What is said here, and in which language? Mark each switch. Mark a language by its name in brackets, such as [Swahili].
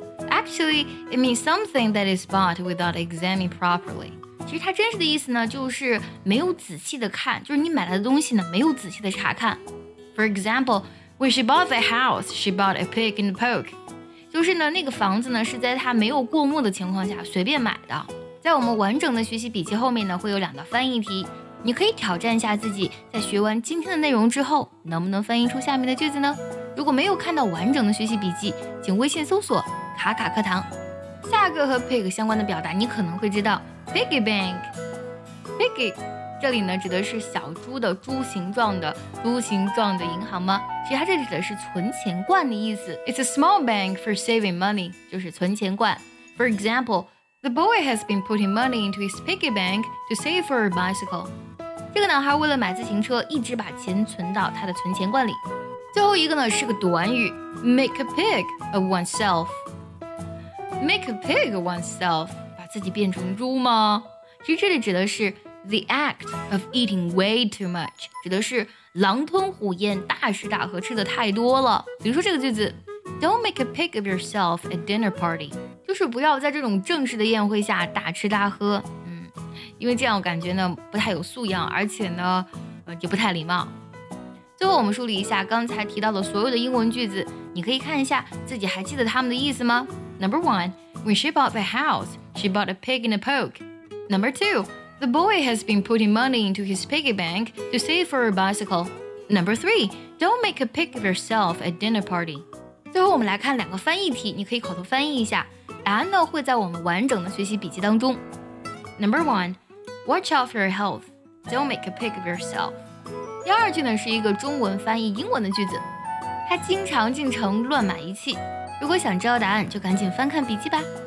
[English] Actually, it means something that is bought without examining properly. [Chinese] 其实它真实的意思呢，就是没有仔细的看，就是你买来的东西呢，没有仔细的查看。 [English] For example, when she bought the house, she bought a pig in the poke. [Chinese] 就是呢，那个房子呢，是在她没有过目的情况下随便买的。在我们完整的学习笔记后面呢，会有两道翻译题，你可以挑战一下自己，在学完今天的内容之后，能不能翻译出下面的句子呢？如果没有看到完整的学习笔记，请微信搜索卡卡课堂。下个和 pig 相关的表达你可能会知道， piggy bank。 piggy 这里呢指的是小猪的猪形状的银行吗？其实它这里指的是存钱罐的意思。 [English] It's a small bank for saving money， [Chinese] 就是存钱罐。 [English] For example, the boy has been putting money into his piggy bank to save for a bicycle。 [Chinese] 这个男孩为了买自行车，一直把钱存到他的存钱罐里。最后一个呢是个短语， [English] make a pig of oneself。 Make a pig of oneself， [Chinese] 把自己变成猪吗？其实这里指的是 [English] the act of eating way too much， [Chinese] 指的是狼吞虎咽，大吃大喝，吃的太多了。比如说这个句子， [English] don't make a pig of yourself at dinner party， [Chinese] 就是不要在这种正式的宴会下大吃大喝，因为这样感觉呢不太有素养，而且呢也不太礼貌。最后我们梳理一下刚才提到的所有的英文句子，你可以看一下自己还记得他们的意思吗？ [English] Number one, when she bought the house, she bought a pig in a poke. Number two, the boy has been putting money into his piggy bank to save for a bicycle. Number three, don't make a pig of yourself at dinner party. [Chinese] 最后我们来看两个翻译题，你可以口头翻译一下，答案呢会在我们完整的学习笔记当中。 [English] Number one, watch out for your health, don't make a pig of yourself. [Chinese] 第二句呢是一个中文翻译英文的句子，他经常进城乱买仪器。如果想知道答案，就赶紧翻看笔记吧。